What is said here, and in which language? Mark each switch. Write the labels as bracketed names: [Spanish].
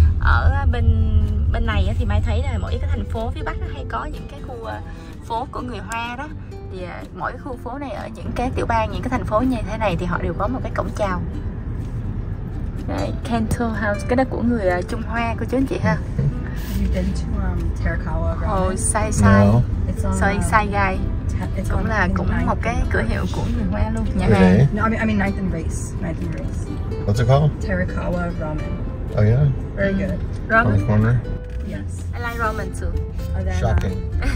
[Vietnamese] Ở bên này thì Mai thấy là mỗi cái thành phố phía Bắc hay có những cái khu phố của người Hoa đó. Thì mỗi khu phố này ở những cái tiểu bang, những cái thành phố như thế này thì họ đều có một cái cổng chào. Đây, Cantor House, cái đó của người Trung Hoa cô chú anh chị ha. [English] Have you been to Terakawa? Right? Oh, Sai. No. Sai Sai Gai. [Vietnamese] Cũng là cũng một cái cửa hiệu của người Hoa luôn, nhà hàng. [English] No, I mean Ninth and Race. What's it called? Terakawa Ramen. Oh yeah. Very good. Ramen. On the corner. Yes. I like ramen too. Oh, then, shocking.